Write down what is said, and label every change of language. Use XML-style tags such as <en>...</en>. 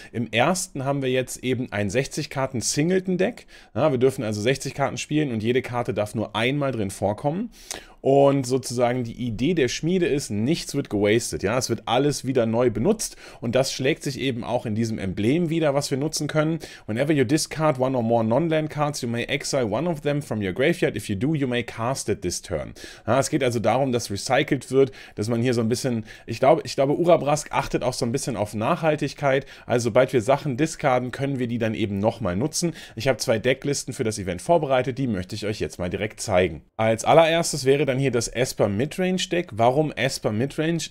<de>Im ersten haben wir jetzt eben ein 60-Karten-Singleton-Deck. Ja, wir dürfen also 60 Karten spielen und jede Karte darf nur einmal drin vorkommen. Und sozusagen die Idee der Schmiede ist, nichts wird gewastet. Ja, es wird alles wieder neu benutzt und das schlägt sich eben auch in diesem Emblem wieder, was wir nutzen können.</de> <en>Whenever you discard one or more non-land cards, you may exile one of them from your graveyard. If you do, you may cast it this turn.</en> <de>Ja, es geht also darum, dass recycelt wird, dass man hier so ein bisschen, ich glaube, Urabrask achtet auch so ein bisschen auf Nachhaltigkeit. Also sobald wir Sachen discarden, können wir die dann eben nochmal nutzen. Ich habe zwei Decklisten für das Event vorbereitet, die möchte ich euch jetzt mal direkt zeigen. Als allererstes wäre dann hier das Esper Midrange Deck. Warum Esper Midrange?</de>